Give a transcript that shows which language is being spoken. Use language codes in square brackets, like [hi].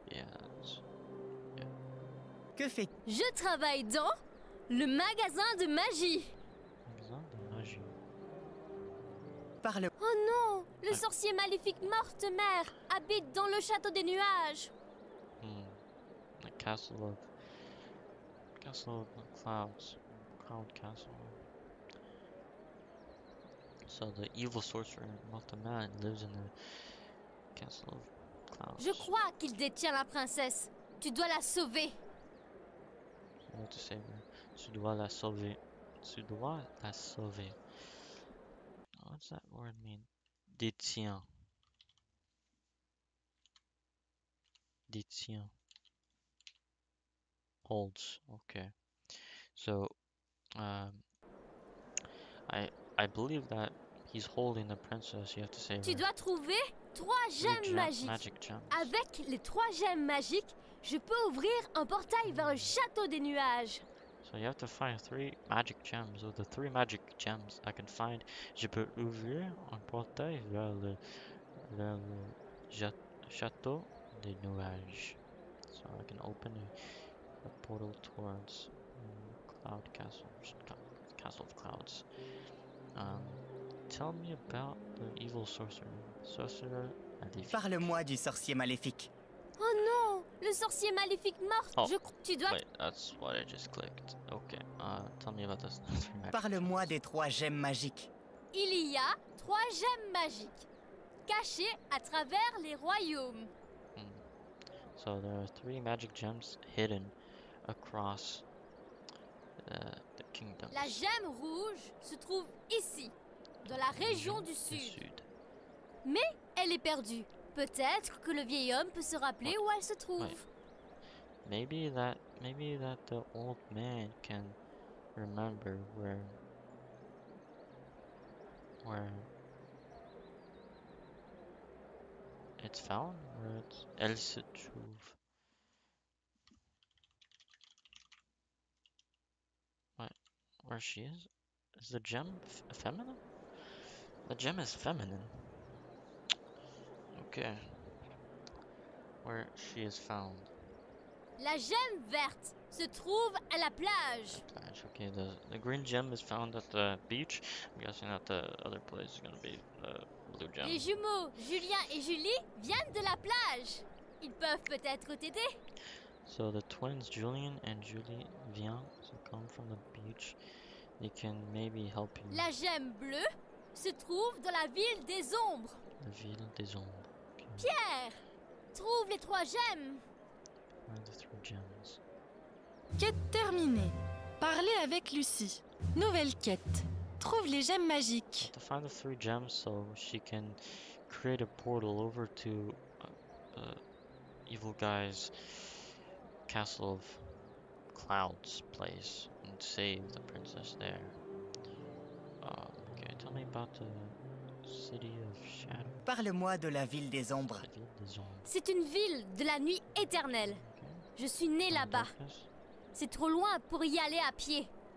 [en] Yes. Yeah. [fr] Que fais-tu? Je travaille dans le magasin de magie. Magasin de magie. Parle. Oh non, le sorcier maléfique Morte mère habite dans le château des nuages. [en] The castle of. Castle of Clouds, Cloud Castle. So the evil sorcerer Mortimer lives in the Castle of Clouds. [fr] Je crois qu'il détient la princesse. Tu dois la sauver. [en] I want to save her. [fr] Tu dois la sauver. [en] Tu dois la sauver. What's that word mean? Détient. [fr] Détient. [en] Holds. Okay. So, I believe that he's holding the princess. You have to save. [fr] Tu dois trouver trois gemmes magiques. [en] Magic gems. [fr] Avec les trois gemmes magiques, je peux ouvrir un portail vers le château des nuages. [en] So you have to find three magic gems. So the three magic gems I can find, [fr] je peux ouvrir un portail vers le château des nuages. [en] So I can open a portal towards. Cloud Castle, Castle of Clouds. Tell me about the evil sorcerer. Sorcerer maléfique. [fr] Parle-moi du sorcier maléfique. Oh non, le sorcier maléfique mort. Oh. Je crois que tu dois. [en] Wait, that's what I just clicked. Okay. Tell me about this. [fr] Parle-moi des trois gemmes magiques. Il y a trois gemmes magiques cachées à travers les royaumes. [en] So there are three magic gems hidden across. The kingdom. [fr] La gemme rouge se trouve ici, dans la région du sud. Mais elle est perdue. Peut-être que le vieil homme peut se rappeler où elle se trouve. [en] Maybe that the old man can remember where it's found, where it's [fr] elle se trouve. [en] Where she is? Is the gem feminine? The gem is feminine. Okay. Where she is found. [fr] La gemme verte se trouve à la plage. La plage. [en] Okay, the green gem is found at the beach. I'm guessing that the other place is gonna be the blue gem. [fr] Les jumeaux, Julien et Julie, viennent de la plage. Ils peuvent peut-être t'aider. [en] So the twins, Julien and Julie, vient, so come from the beach. They can maybe help you. [fr] La gemme bleue se trouve dans la ville des ombres. La ville des ombres. Okay. Pierre, trouve les trois gemmes. [en] Where are the three gems? [fr] Quête terminée. Parlez avec Lucie. Nouvelle quête. trouve les gemmes magiques. [en] To find the three gems so she can create a portal over to Evil Guy's Castle of Clouds place and save the princess there. Okay, tell me about the City of Shadow. [fr] Parle-moi de la ville des ombres. C'est une ville de la nuit éternelle. Je suis née là-bas. C'est trop loin pour y aller à pied.